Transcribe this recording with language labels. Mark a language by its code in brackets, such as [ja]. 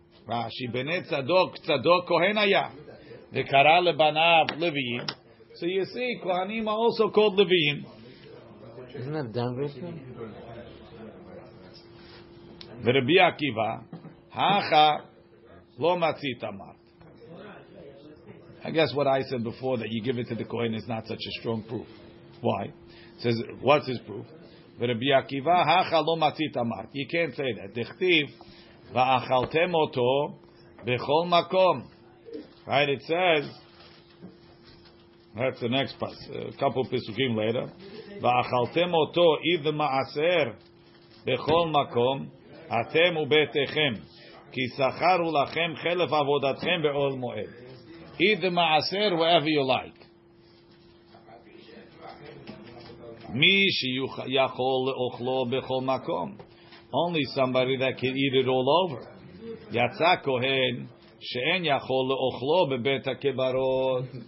[he] רשי בני צדוק, צדוק כהן היה, וקרא לבניו לוויים. [en] So you see, כהנים are also called לוויים. Isn't that done with him? [he] ורבי עקיבא, הכה לא מצית אמרת. [en] I guess what I said before, that you give it to the Kohen, is not such a strong proof. Why? It says, what's his proof? [he] ורבי עקיבא, הכה לא מצית אמרת. [en] You can't say that. [he] דכתיב, ואכלתם אותו בכל מקום. [en] Right, it says, that's the next part, a couple of פסוקים later. [he] ואכלתם אותו, איזה מעשר, בכל מקום, אתם וביתכם, כי שכרו לכם חלף עבודתכם בעול מועד. איזה מעשר, [en] whatever you like. [he] מי שיכול לאוכלו בכל מקום. [en] Only somebody that can eat it all over. [he] יצא כהן שאין יכול לאוכלו בבית הקברות.